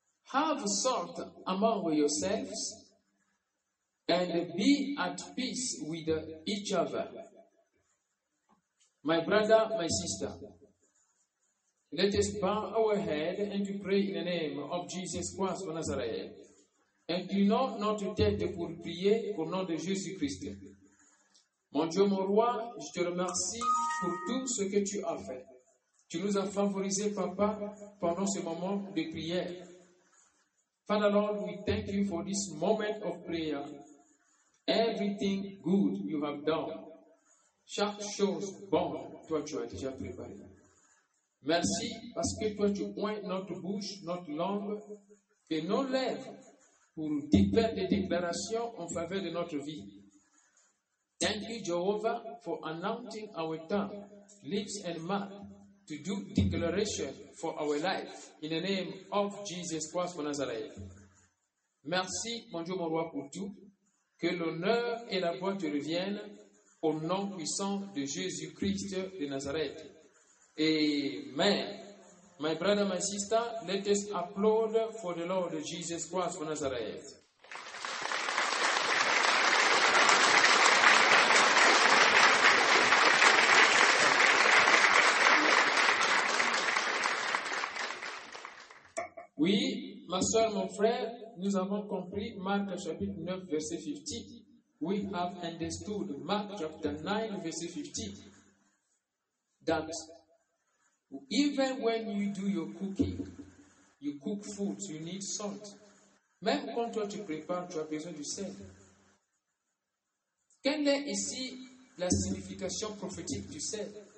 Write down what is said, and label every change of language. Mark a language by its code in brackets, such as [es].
[en] Have salt among yourselves. And be at peace with each other. My brother, my sister, let us bow our head and to pray in the name of Jesus Christ of Nazareth. [fr] Inclinons notre tête pour prier au nom de Jésus Christ. Mon Dieu, mon roi, je te remercie pour tout ce que tu as fait. Tu nous as favorisé, papa, pendant ce moment de prière. [en] Father Lord, we thank you for this moment of prayer. Everything good you have done. [fr] Chaque chose bonne, toi tu as déjà préparé. Merci parce que toi tu oins notre bouche, notre langue et nos lèvres pour faire des déclarations en faveur de notre vie. [en] Thank you, Jehovah, for anointing our tongue, lips and mouth to do declaration for our life in the name of Jesus Christ of Nazareth. [fr] Merci, mon Dieu, mon roi, pour tout. Que l'honneur et la gloire te reviennent au nom puissant de Jésus-Christ de Nazareth. [en] Amen. My brother, my sister, let us applaud for the Lord Jesus Christ of Nazareth. [fr] Oui, ma soeur, mon frère, nous avons compris Marc chapitre 9, verset 50. [en] We have understood Mark chapter 9, verset 50. That even when you do your cooking, you cook food, you need salt. [fr] Même quand toi tu prépares, tu as besoin du sel. Quelle est ici la signification prophétique du sel?